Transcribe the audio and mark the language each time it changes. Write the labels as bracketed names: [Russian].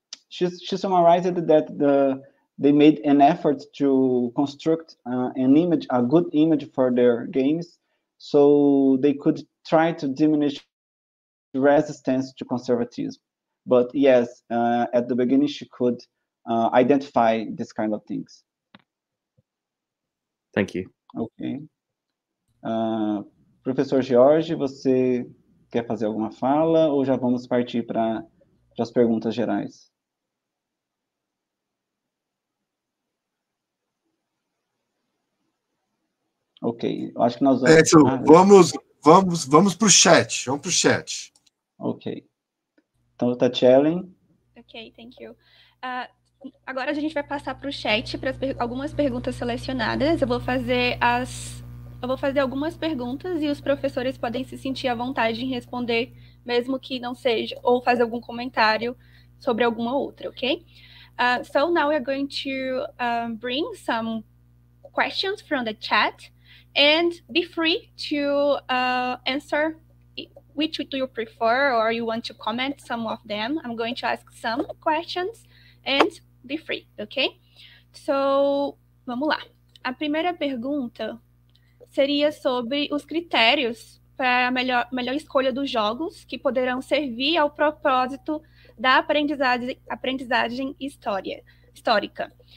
[English] She summarized that they made an effort to construct a good image for their games, so they could try to diminish resistance to conservatism. But yes, at the beginning she could identify this kind of things. Thank you. Okay. [Portuguese] Professor George, você quer fazer alguma fala ou já vamos partir para as perguntas gerais? Ok, eu acho que nós vamos... Edson, vamos para o chat, vamos para o chat. Ok. Então, Tatiele. [English] Ok, thank you. [Portuguese] Agora a gente vai passar para o chat, para algumas perguntas selecionadas. Eu vou fazer as eu vou fazer algumas perguntas e os professores podem se sentir à vontade em responder, mesmo que não seja, ou fazer algum comentário sobre alguma outra, ok? [English] So now we're going to bring some questions from the chat and be free to answer which do you prefer or you want to comment some of them. I'm going to ask some questions and be free, ok? [Portuguese] So, vamos lá. A primeira pergunta seria sobre os critérios para a melhor escolha dos jogos que poderão servir ao propósito da aprendizagem histórica.